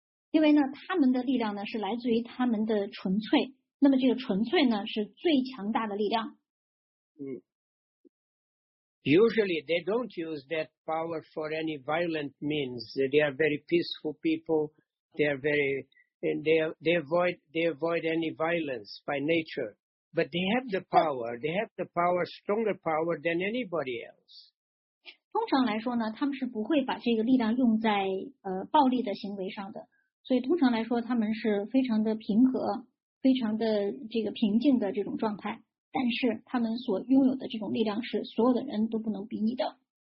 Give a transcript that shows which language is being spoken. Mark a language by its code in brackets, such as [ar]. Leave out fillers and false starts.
[zh] 因为呢，他们的力量呢是来自于他们的纯粹。那么这个纯粹呢是最强大的力量。 [en] Usually they don't use that power for any violent means. They are very peaceful people. They are very and they avoid any violence by nature. But they have the power. They have the power, stronger power than anybody else. [zh] 通常来说呢，他们是不会把这个力量用在暴力的行为上的。所以通常来说，他们是非常的平和，非常的这个平静的这种状态。但是他们所拥有的这种力量是所有的人都不能比拟的。